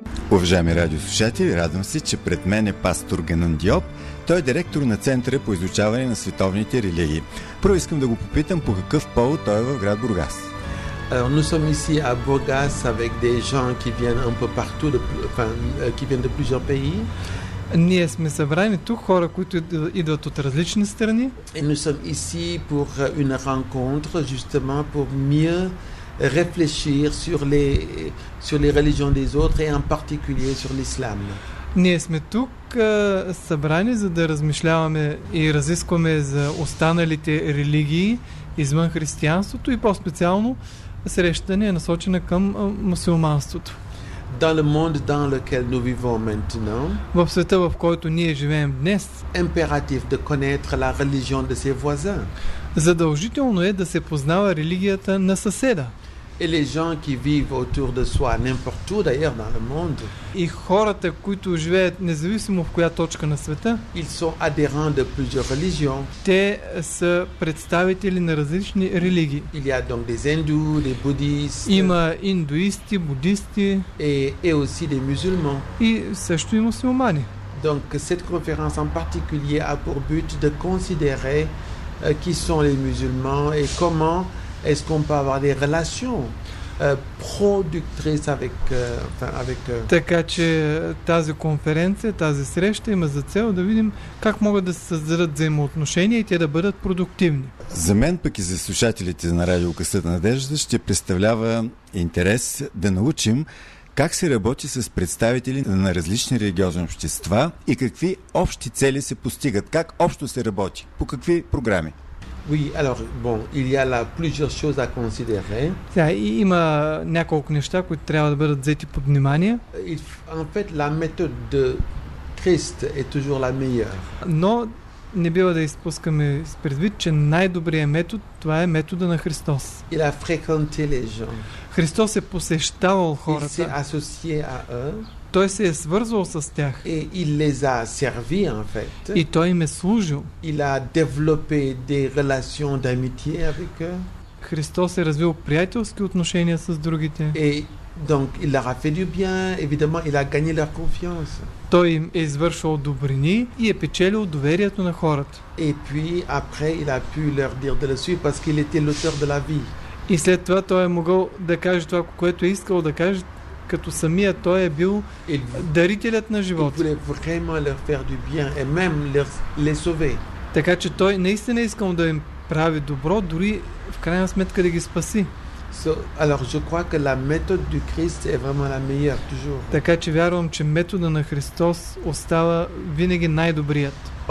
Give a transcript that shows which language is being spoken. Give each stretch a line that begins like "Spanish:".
Bulgarian: Уважаеми радиослушатели, радвам се, че пред мен е пастор Генан Диоп. Той е директор на Центъра по изучаване на световните религии. Първо искам да го попитам по какъв повод той е в град Бургас.
French: Alors, nous sommes ici à Bourgas avec des gens qui viennent un peu partout, qui viennent de plusieurs pays.
Bulgarian: Ние сме събрани тук хора, които идват от различни страни.
French: Et nous sommes ici pour une rencontre justement pour mieux réfléchir sur les religions des autres et en particulier sur l'islam.
Bulgarian: Ние сме тук събрани за да размишляваме и разискваме за останалите религии извън християнството и по-специално срещане е насочена към мюсюлманството.
French: Dans le monde dans lequel nous vivons maintenant.
Bulgarian: Във света, в който ние живеем днес,
French: impératif de connaître la religion de ses voisins.
Bulgarian: Задължително е да се познава религията на съседа.
French: Et les gens qui vivent autour de soi, n'importe où d'ailleurs dans le monde.
Bulgarian: И хората, които живеят независимо в коя точка на света,
French: ils sont adhérents de plusieurs religions.
Bulgarian: Те са представители на различни религии.
French: Il y a donc des hindous, des bouddhistes.
Bulgarian: Има индуисти, буддисти.
French: Et aussi des musulmans.
Bulgarian: И също и мюсюлмани.
French: Donc cette conférence en particulier a pour but de considérer qui sont les musulmans et comment est-ce qu'on peut avoir des relations productrices avec
Bulgarian: Така че тази конференция, тази среща има за цел да видим как могат да се създадат взаимоотношения и те да бъдат продуктивни. За мен пък и за слушателите на радио Късата надежда ще представлява интерес да научим как се работи с представители на различни религиозни общества и какви общи цели се постигат, как общо се работи, по какви програми.
French: Oui, alors bon, il y a là plusieurs choses à considérer.
Bulgarian: Да, има няколко неща, които трябва да бъдат взети под внимание.
French: En fait, la méthode de Christ est toujours la meilleure.
Bulgarian: Но не бива да изпускаме предвид, че най-добрият метод, това е метода на Христос.
French: Il a fréquenté les gens.
Bulgarian: Христос е посещавал хората.
French: Il s'est associé à eux.
Bulgarian: Той се е свързвал с тях.
French: Et il les a servi, en fait.
Bulgarian: И той им е служил.
French: Il a développé des relations d'amitié avec eux.
Bulgarian: Христос е развил приятелски отношения с другите.
French: Et Donc, il leur a fait du bien, évidemment, il a gagné leur confiance.
Bulgarian: Той им е извършил добрини и е печелил доверието на хората.
French: Et puis après, il a pu leur dire de le suivre parce qu'il était l'auteur de la vie.
Bulgarian: И след това той е могъл да каже това, което е искал да каже, като самия той е бил дарителят на живота.
French: Il voulait vraiment leur faire du bien et même leur les sauver.
Bulgarian: Така че той наистина искал да им прави добро, дори в крайна сметка да ги спаси.
French: So, alors je crois que la méthode du Christ est vraiment la meilleure toujours.
Bulgarian: Така че вярвам, че метода на Христос остава винаги най-добрият.